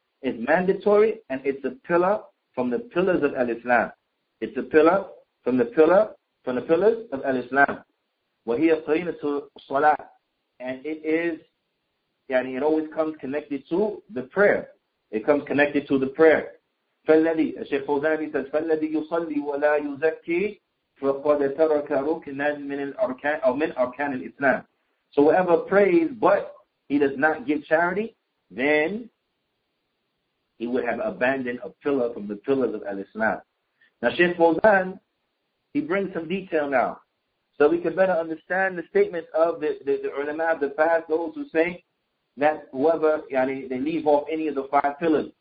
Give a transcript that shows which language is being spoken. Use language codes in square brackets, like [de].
[en] It's mandatory and it's a pillar from the pillars of al-Islam. It's a pillar from the pillar from the pillars of al-Islam. [ar] وَهِيَ قَرِينَةُ الصَّلَاةِ. [en] And it is, it always comes connected to the prayer. It comes connected to the prayer. [ar] فَالَّذِي, [en] Shaykh Fawzani says, [ar] فَالَّذِي يُصَلِّي وَلَا يُزَكِّي فَقَدَ تَرَكَ رُكْنًا مِنْ الْأَرْكَانِ أَوْ مِنْ أَرْكَانِ الْإِسْلَامِ. [en] So whoever prays, but he does not give charity, then he would have abandoned a pillar from the pillars of al-Islam. Now Shaykh Fawzan, he brings some detail now, so we can better understand the statements of the ulama of the past, those who say that whoever, they leave off any of the five pillars.